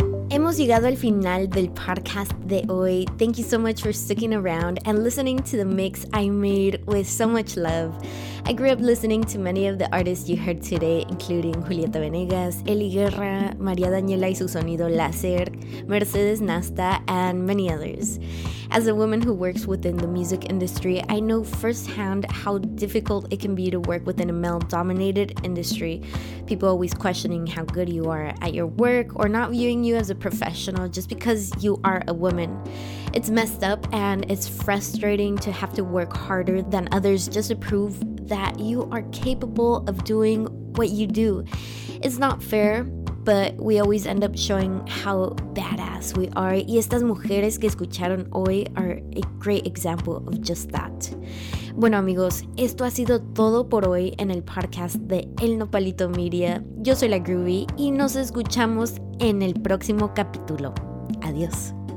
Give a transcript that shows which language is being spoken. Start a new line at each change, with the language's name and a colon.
Spanish: Hemos llegado al final del podcast de hoy.
English: Thank you so much for sticking around and listening to the mix I made with so much love. I grew up listening to many of the artists you heard today, including Julieta Venegas, Eli Guerra, María Daniela y su sonido láser, Mercedes Nasta, and many others. As a woman who works within the music industry, I know firsthand how difficult it can be to work within a male-dominated industry, people always questioning how good you are at your work or not viewing you as a professional just because you are a woman. It's messed up and it's frustrating to have to work harder than others just to prove that you are capable of doing what you do. It's not fair, but we always end up showing how badass we are. Y estas mujeres que escucharon hoy are a great example of just that.
Spanish: Bueno amigos, esto ha sido todo por hoy en el podcast de El Nopalito Media. Yo soy La Groovy y nos escuchamos en el próximo capítulo. Adiós.